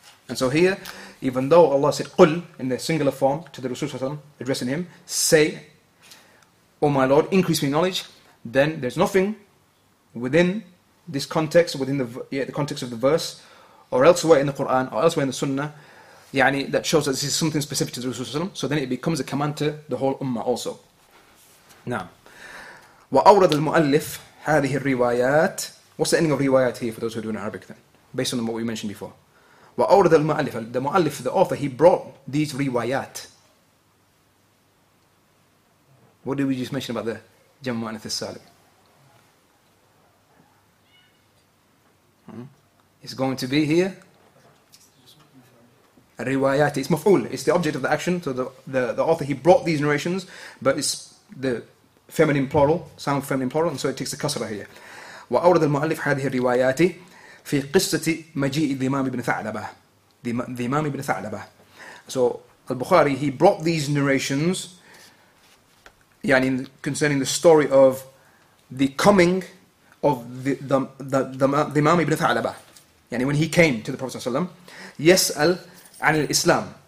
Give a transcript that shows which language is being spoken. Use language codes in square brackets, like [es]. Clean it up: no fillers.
[en] And so here, even though Allah said قُلْ in the singular form to the Rasul ﷺ, addressing him, say, oh my Lord, increase me knowledge, then there's nothing within this context, within the context of the verse, or elsewhere in the Quran, or elsewhere in the Sunnah, yani that shows that this is something specific to the Rasul ﷺ. So then it becomes a command to the whole Ummah also. [ar] Now, وأورد المؤلف هذه الروايات. [en] What's the ending of riwayat here for those who are doing Arabic then, based on what we mentioned before? [ar] وأورد المؤلف, [en] the مؤلف, the author, he brought these riwayat. What did we just mention about the جمع مؤنث السالم? It's going to be here. riwayat. It's maf'ul. It's the object of the action. So the author, he brought these narrations, but it's the feminine plural, sound feminine plural, and so it takes the kasra here. [ar] وأورد المؤلف هذه الروايات في قصة مجيء الإمام ابن ثعلبة. [en] The Imam ibn Tha'labah. So al-Bukhari, he brought these narrations yani concerning the story of the coming of the Imam ibn Tha'labah. Yani when he came to the Prophet ﷺ, [ar] yas'al an al-Islam.